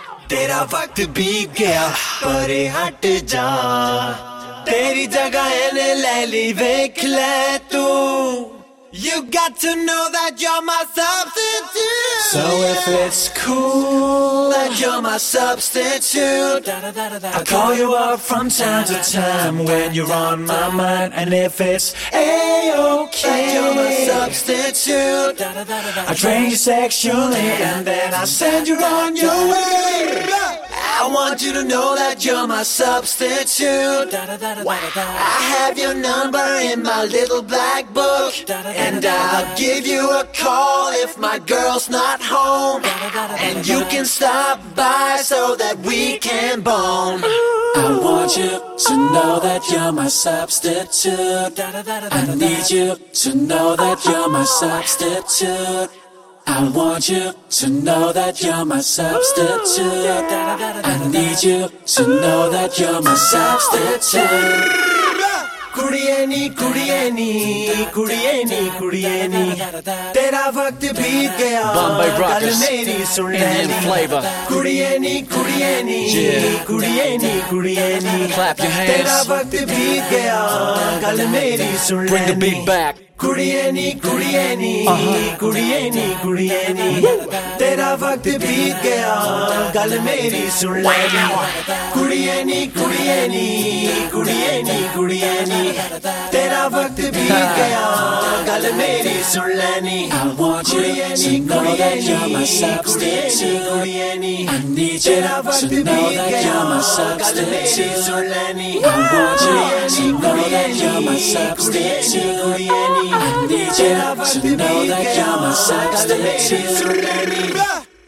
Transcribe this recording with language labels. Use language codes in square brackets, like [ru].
[hi] तेरा वक्त बीत गया परे हट जा. तेरी जगह ने ले ली देख ले तू. [en] You got to know that you're my substitute. So if it's cool that you're my substitute, I'll call you up from time to time when you're on my mind. And if it's A-OK that you're my substitute, I train you sexually and then I send you on your way. I want you to know that you're my substitute. I have your number in my little black book, and I'll give you a call if my girl's not home, and you can stop by so that we can bone. I want you to know that you're my substitute. I need you to know that you're my substitute. I want you to know that you're my substitute. I need you to know that you're my substitute. [hi] कुड़िये नी कुड़िये नी कुड़िये नी कुड़िये नी तेरा वक्त बीत गया गल मेरी सुन ले. कुड़िये नी कुड़िये नी कुड़िये नी कुड़िये नी तेरा वक्त बीत गया गल मेरी सुन ले. [en] Bring the beat back. [hi] कुड़िये नी कुड़िये नी कुड़िये नी कुड़िये नी तेरा वक्त बीत गया गल मेरी सुन ले. कुड़िये नी कुड़िये नी कुड़िये नी कुड़िये नी तेरा वक्त बीत गया गल मेरी सुन ले. कुड़िये नी कुड़िये नी कुड़िये नी कुड़िये नी तेरा वक्त बीत गया गल मेरी सुन ले. कुड़िये नी कुड़िये नी [en] कुड़िये नी कुड़िये नी I need you to know that you're my substitute.